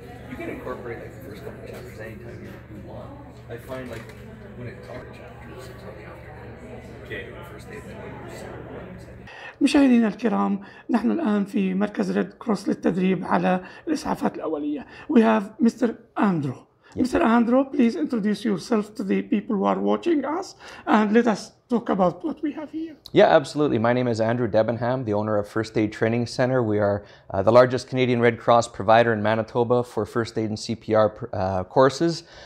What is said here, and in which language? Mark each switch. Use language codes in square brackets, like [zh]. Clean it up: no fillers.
[en] You can incorporate like the first couple chapters anytime you want. I find like when it talks chapters, it's on the afternoon. Okay, first day of the [ar] مشاهدينا الكرام، نحن الآن في مركز ريد كروس للتدريب على الإسعافات الأولية. [en] We have Mr. Andrew. Yes. Mr. Andrew, please introduce yourself to the people who are watching us and let us talk about what we have here. Yeah, absolutely. My name is Andrew Debenham, the owner of First Aid Training Center. We are the largest Canadian Red Cross provider in Manitoba for first aid and CPR courses.